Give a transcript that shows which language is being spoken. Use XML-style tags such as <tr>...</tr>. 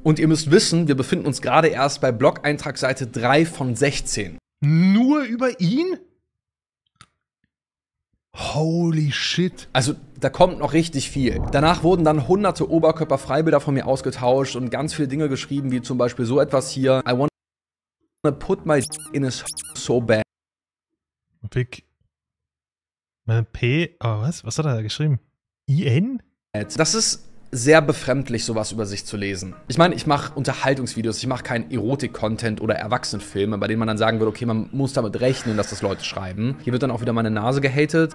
<de>Und ihr müsst wissen, wir befinden uns gerade erst bei Blog-Eintrag Seite 3 von 16. Nur über ihn?</de> <en>Holy shit.</en> <de>Also, da kommt noch richtig viel. Danach wurden dann hunderte Oberkörperfreibilder von mir ausgetauscht und ganz viele Dinge geschrieben, wie zum Beispiel so etwas hier.</de> <en>I wanna put my in his so bad.</en> <de>Pick. Mein P. Oh, was? Was hat er da geschrieben? IN? Das ist sehr befremdlich, sowas über sich zu lesen. Ich meine, ich mache Unterhaltungsvideos, ich mache keinen Erotik-Content oder Erwachsenenfilme, bei denen man dann sagen würde, okay, man muss damit rechnen, dass das Leute schreiben. Hier wird dann auch wieder meine Nase gehatet.</de>